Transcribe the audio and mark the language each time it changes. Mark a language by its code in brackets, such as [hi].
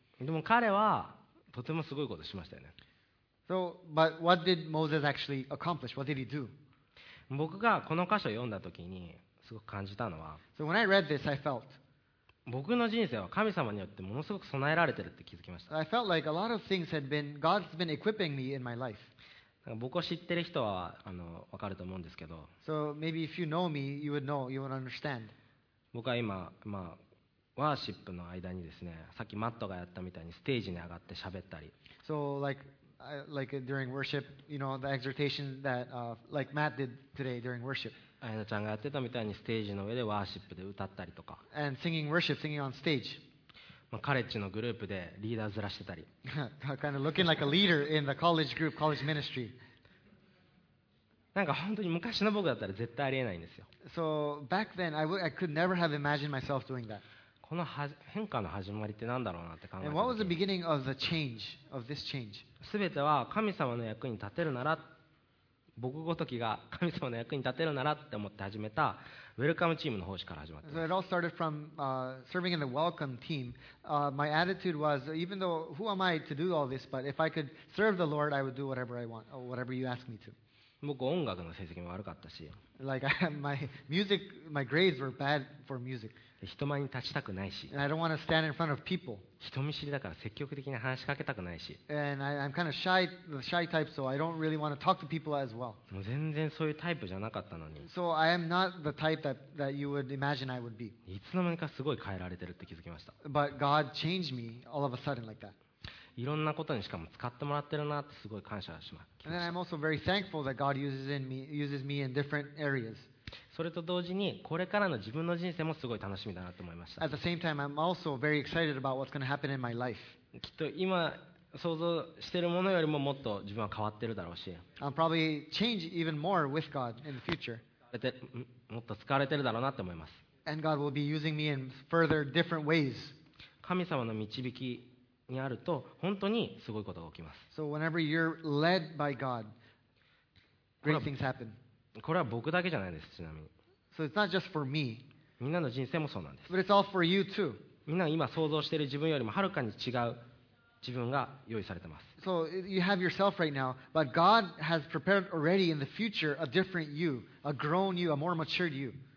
[ja] でも彼はとてもすごいことしましたよね。 [en] So, but what did Moses actually accomplish? What did he do? [ja] 僕がこの箇所を読んだときにすごく感じたのは、 [en] So when I read this, I felt. [ja] 僕の人生は神様によってものすごく備えられてるって気づきました。 [en] I felt like a lot of things had been God's been equipping me in my life. [ja] 僕を知ってる人はわかると思うんですけど。 [en] So maybe if you know me, you would know, you would understand. [ja] 僕は今まあワーシップの間にですね、さっきマットがやったみたいにステージに上がって喋ったり。 [en] So like during worship, you know, the exhortation that like Matt did today during worship. [ja] 彩乃ちゃんがやってたみたいにステージの上でワーシップで歌ったりとか、 [en] And singing worship, singing on stage. [ja] まあ、カレッジのグループでリーダーずらしてたり、 [en] kind of looking like a leader in the college group, college ministry. [ja] なんか本当に昔の僕だったら絶対ありえないんですよ。 [en] So back then, I could never have imagined myself doing that. [ja] この変化の始まりってなんだろうなって考えた。 [en] And what was the beginning of the change of this change? [ja] すべては神様の役に立てるなら。僕ごときが神様の役に立てるならって思って始めたウェルカムチームの奉仕から始まった。 [en] So it all started from serving in the welcome team. My attitude was, even though who am I to do all this, but if I could serve the Lord, I would do whatever I want, or whatever you ask me to. [ja] 僕音楽の成績も悪かったし。 [en] Like my grades were bad for music. [ja] 人前に立ちたくないし。 [en] And I don't want to stand in front of people. [ja] 人見知りだから積極的に話しかけたくないし。 [en] And I'm kind of shy, the shy type, so I don't really want to talk to people as well. [ja] もう全然そういうタイプじゃなかったのに。 [en] So I am not the type that you would imagine I would be. [ja] いつの間にかすごい変えられてるって気づきました。 [en] But God changed me all of a sudden like that. [ja] いろんなことにしかも使ってもらってるなってすごい感謝しますそれと同時にこれからの自分の人生もすごい楽しみだなと思いました。 [en] At the same time, I'm also very excited about what's going to happen in my life. [ja] きっと今想像してるものよりももっと自分は変わってるだろうし、 [en] I'll probably change even more with God in the future. [ja] もっと使われてるだろうなって思います。 [en] And God will be using me in further different ways. [ja] 神様の導きにあると本当にすごいことが起きます。 [en] So whenever you're led by God, great things happen. [ja] これは僕だけじゃないです。ちなみに。 [en] So it's not just for me. [ja] みんなの人生もそうなんです。 [en] But it's all for you too. [ja] みんな今想像している自分よりもはるかに違う。自分が用意されてます。 [en] So you have yourself right now, but God has prepared already in the future a different you, a grown you, a more matured you.